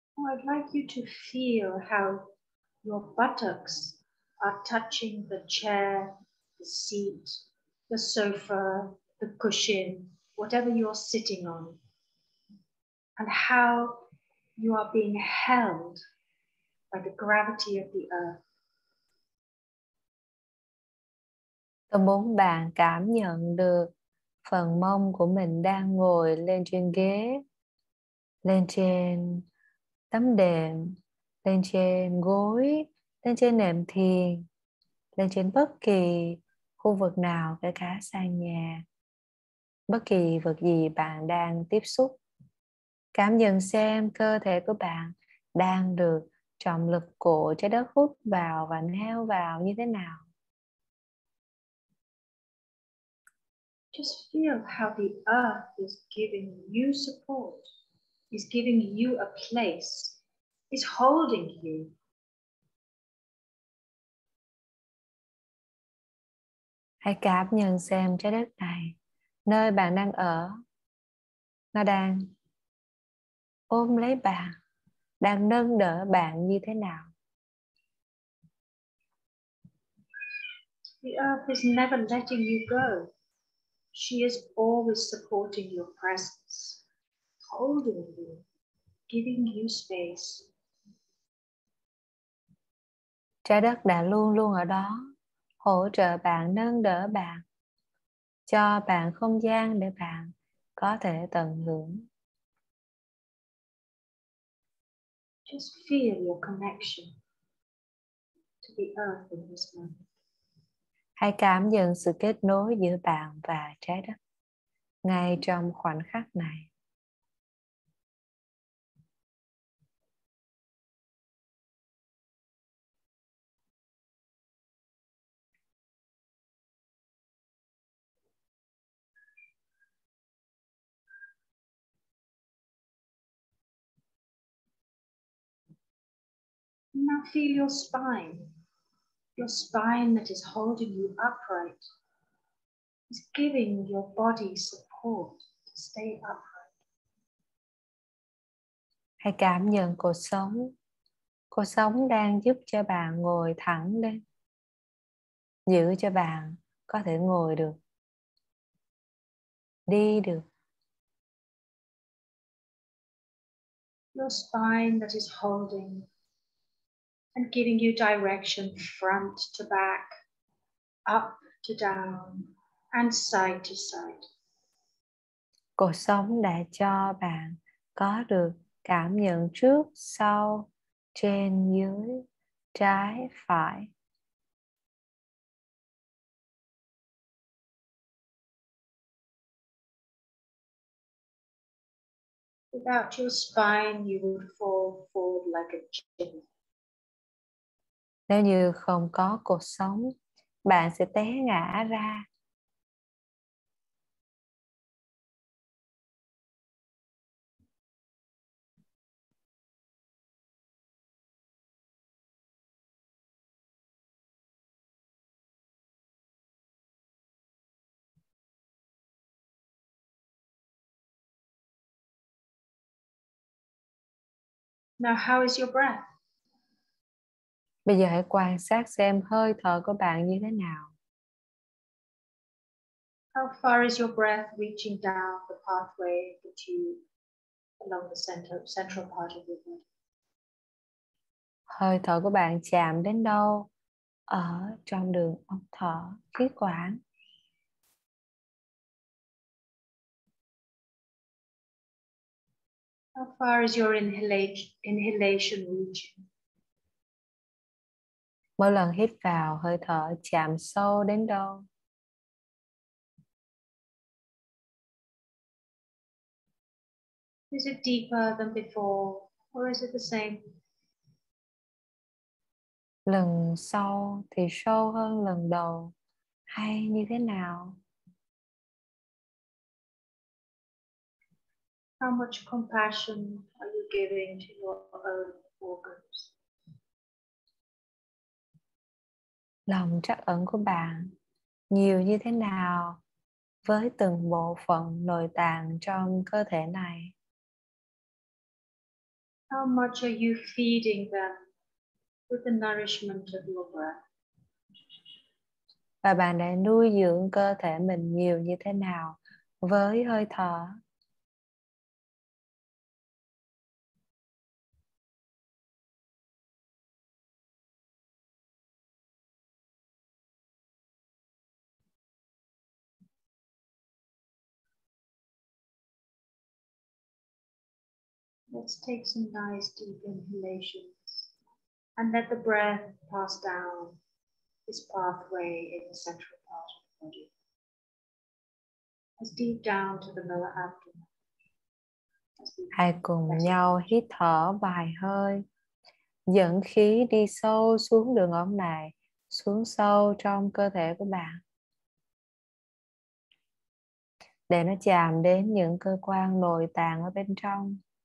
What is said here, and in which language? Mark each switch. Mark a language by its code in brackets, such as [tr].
[en] I'd like you to feel how your buttocks are touching the chair, the seat, the sofa, the cushion, whatever you're sitting on, and how you are being held by the gravity of the earth. [vi] Tôi muốn bạn cảm nhận được phần mông của mình đang ngồi lên trên ghế, lên trên tấm đệm, lên trên gối, lên trên nệm thiền, lên trên bất kỳ khu vực nào, kể cả sàn nhà, bất kỳ vật gì bạn đang tiếp xúc. Cảm nhận xem cơ thể của bạn đang được trọng lực của trái đất hút vào và neo vào như thế nào. [en] Just feel how the earth is giving you support. Is giving you a place, is holding you. [vi] Hãy cảm nhận xem trái đất này, nơi bạn đang ở, nó đang ôm lấy bạn, đang nâng đỡ bạn như thế nào. [en] The earth is never letting you go. She is always supporting your presence. Holding you, giving you space. [vi] Trái đất đã luôn luôn ở đó, hỗ trợ bạn, nâng đỡ bạn, cho bạn không gian để bạn có thể tận hưởng. [en] Just feel your connection to the earth in this moment. [vi] Hãy cảm nhận sự kết nối giữa bạn và trái đất ngay trong khoảnh khắc này. [en] Now feel your spine. Your spine that is holding you upright is giving your body support to stay upright. [vi] Hãy cảm nhận cột sống. Cột sống đang giúp cho bạn ngồi thẳng lên, giữ cho bạn có thể ngồi được, đi được. [en] Your spine that is holding and giving you direction front to back, up to down, and side to side. [vi] Cuộc sống đã cho bạn có được cảm nhận trước, sau, trên, dưới, trái, phải. [en] Without your spine, you would fall forward like a chicken. [vi] Nếu như không có cột sống, bạn sẽ té ngã ra. [en] Now, how is your breath? [vi] Bây giờ hãy quan sát xem hơi thở của bạn như thế nào. [en] How far is your breath reaching down the pathway the tube along the central part of your body? [vi] Hơi thở của bạn chạm đến đâu ở trong đường ống thở, khí quản? [en] How far is your inhalation reaching? [vi] Mỗi lần hít vào, hơi thở chạm sâu đến đâu? [en] Is it deeper than before, or is it the same? [vi] Lần sau thì sâu hơn lần đầu, hay như thế nào? [en] How much compassion are you giving to your own organs? [vi] Lòng trắc ẩn của bạn nhiều như thế nào với từng bộ phận nội tạng trong cơ thể này? [en] How much are you feeding them with the nourishment of your breath? [vi] Và bạn đã nuôi dưỡng cơ thể mình nhiều như thế nào với hơi thở? [en] Let's take some nice deep inhalations and let the breath pass down this pathway in the central part of the body, as deep down to the lower abdomen. [vi] Hãy cùng nhau hít thở vài hơi, dẫn khí đi sâu xuống đường ống này, xuống sâu trong cơ thể của bạn, để nó chạm đến những cơ quan nội tạng ở bên trong.